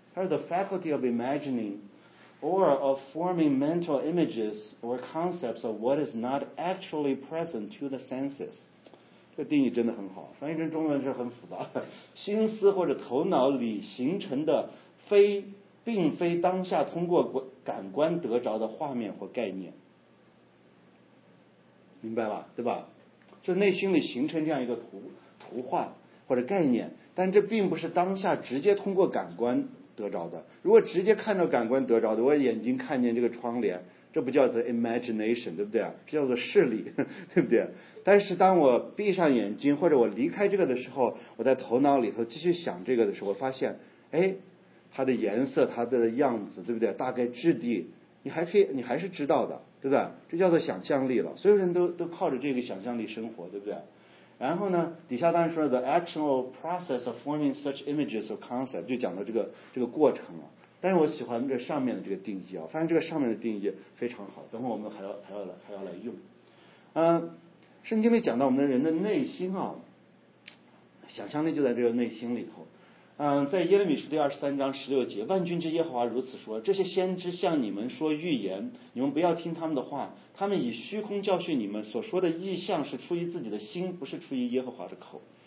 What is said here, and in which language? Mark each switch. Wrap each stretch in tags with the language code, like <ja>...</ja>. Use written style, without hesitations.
<zh>它是</zh> <en>the faculty of imaginingOr of forming mental images or concepts of what is not actually present to the senses.</en> <zh>这定义真的很好，翻译成中文是很复杂的。心思或者头脑里形成的并非当下通过感官得着的画面或概念。明白了，对吧？就内心里形成这样一个图画或者概念，但这并不是当下直接通过感官得着的。如果直接看到感官得着的，我眼睛看见这个窗帘，这不叫做 imagination， 对不对？这叫做视力，对不对？但是当我闭上眼睛或者我离开这个的时候，我在头脑里头继续想这个的时候，我发现哎，它的颜色，它的样子，对不对？大概质地你还是知道的，对不对？这叫做想象力了。所有人都靠着这个想象力生活，对不对？然后呢，底下当然说</zh> <en>the actual process of forming such images or concept，</en> <zh>就讲到这个过程了。但是我喜欢这上面的这个定义啊，发现这个上面的定义非常好，等会我们还要来用。圣经里讲到我们的人的内心啊，想象力就在这个内心里头。在耶利米书第23:16，万军之耶和华如此说，这些先知向你们说预言，你们不要听他们的话，他们以虚空教训你们，所说的异象是出于自己的心，不是出于耶和华的口。</zh>